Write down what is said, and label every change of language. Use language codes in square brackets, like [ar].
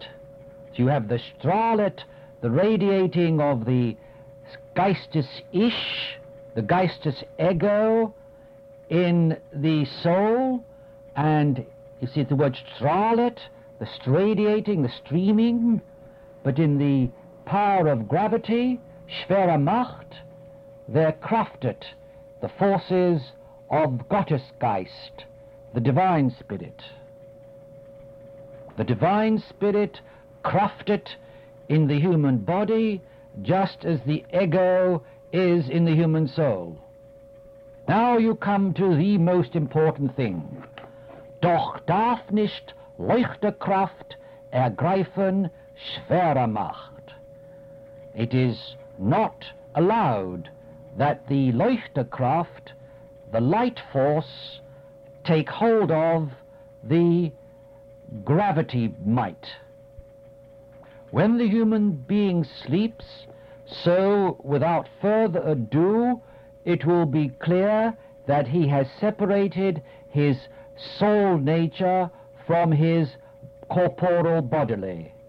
[en] So you have the strahlet, the radiating of the Geistes Ich, the Geistes Ego in the soul, and you see the word strahlet, the radiating, the streaming, but in the power of gravity, Schwere Macht, there kraftet the forces of Gottesgeist, the Divine Spirit. The Divine Spirit kraftet in the human body, just as the ego is in the human soul. Now you come to the most important thing. [de] Doch darf nicht Leuchterkraft ergreifen Schwere Macht. [en] It is not allowed that the Leuchterkraft, the light force, take hold of the gravity might. When the human being sleeps, so without further ado, it will be clear that he has separated his soul nature from his corporal bodily.